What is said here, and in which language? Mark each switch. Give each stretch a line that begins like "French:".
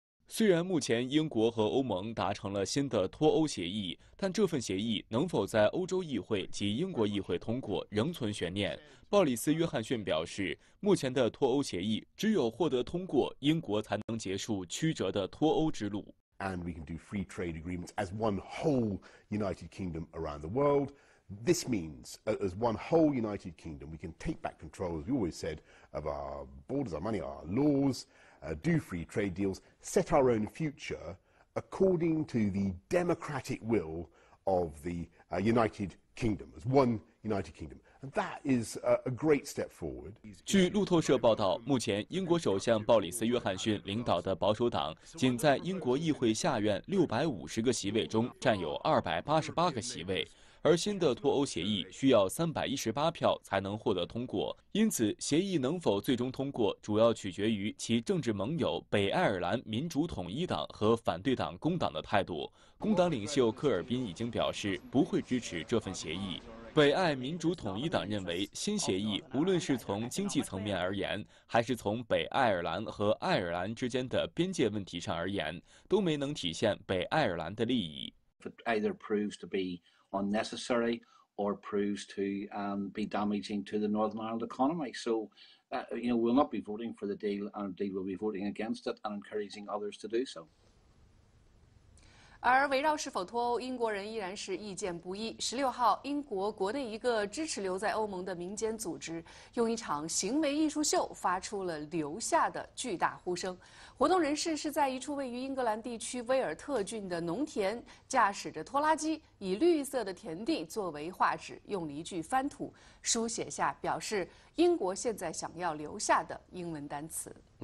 Chinese: 虽然目前英国和欧盟达成了新的脱欧协议，但这份协议能否在欧洲议会及英国议会通过仍存悬念。鲍里斯·约翰逊表示，目前的脱欧协议只有获得通过，英国才能结束曲折的脱欧之路。
English: And we can do free trade agreements as one whole United Kingdom around the world. This means, as one whole United Kingdom, we can take back control, as we always said, of our borders, our money, our laws. Do free trade deals, set our own future according to the democratic will of the United Kingdom, as one United Kingdom. And that is a great step forward.
Chinese: 据路透社报道，目前英国首相鲍里斯·约翰逊领导的保守党仅在英国议会下院650个席位中占有288个席位。而新的脱欧协议需要318票才能获得通过，因此协议能否最终通过，主要取决于其政治盟友北爱尔兰民主统一党和反对党工党的态度。工党领袖科尔宾已经表示不会支持这份协议。北爱民主统一党认为，新协议无论是从经济层面而言，还是从北爱尔兰和爱尔兰之间的边界问题上而言，都没能体现北爱尔兰的利益。
English: Either proves to beUnnecessary or proves to be damaging to the Northern Ireland economy. So, you know, we'll not be voting for the deal, and indeed we'll be voting against it and encouraging others to do so.
Chinese: 而围绕是否脱欧，英国人依然是意见不一。16号，英国国内一个支持留在欧盟的民间组织，用一场行为艺术秀发出了留下的巨大呼声。活动人士是在一处位于英格兰地区威尔特郡的农田，驾驶着拖拉机，以绿色的田地作为画纸，用了一句翻土书写下表示英国现在想要留下的英文单词。